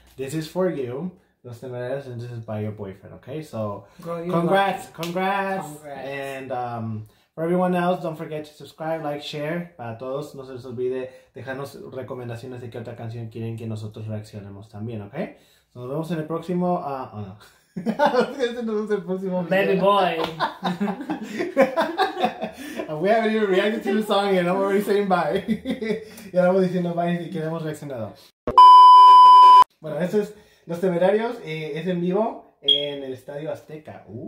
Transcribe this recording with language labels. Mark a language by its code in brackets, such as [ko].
[en] This is for you, Los Temerarios, and this is by your boyfriend, okay? So, congrats. And for everyone else, don't forget to subscribe, like, share. [es] Para todos, no se les olvide dejarnos recomendaciones de qué otra canción quieren que nosotros reaccionemos también, [en] okay? So, [es] nos vemos en el próximo, nos vemos en el próximo video. [en] Baby boy. We haven't even reacted to the song yet, I'm already saying bye. [es] Y ahora vamos diciendo [en] bye [es] y queremos reaccionado. Bueno, eso es Los Temerarios, es en vivo en el Estadio Azteca.